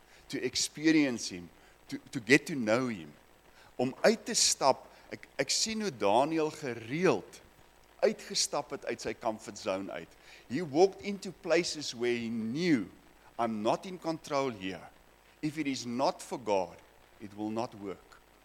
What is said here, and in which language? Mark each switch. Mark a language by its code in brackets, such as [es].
[en] To experience him, to get to know him. [af] Om uit te stap, ek sien hoe Daniel gereeld uitgestap het uit sy comfort zone uit. [en] He walked into places where he knew, I'm not in control here. If it is not for God, it will not work.